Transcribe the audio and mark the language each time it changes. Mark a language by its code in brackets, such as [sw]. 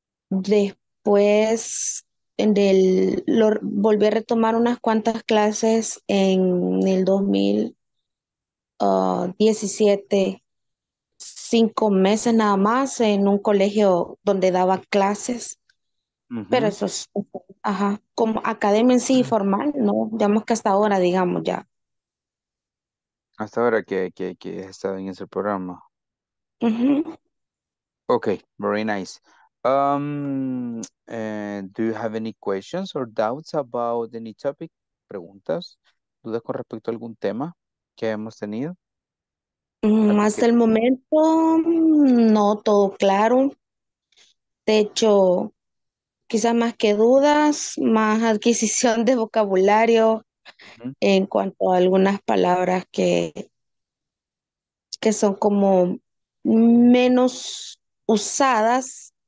[es] Después volví a retomar unas cuantas clases en el 2017, 5 meses nada más en un colegio donde daba clases. Uh-huh. Pero eso es, ajá, como academia en sí formal, ¿no? Digamos que hasta ahora, digamos ya. Hasta ahora que he estado en ese programa. Uh-huh. [en] Okay, very nice. Do you have any questions or doubts about any topic? [es] ¿Preguntas? ¿Dudas con respecto a algún tema que hemos tenido? Hasta el momento, no todo claro. De hecho, quizás más que dudas, más adquisición de vocabulario en cuanto a algunas palabras que son como menos usadas.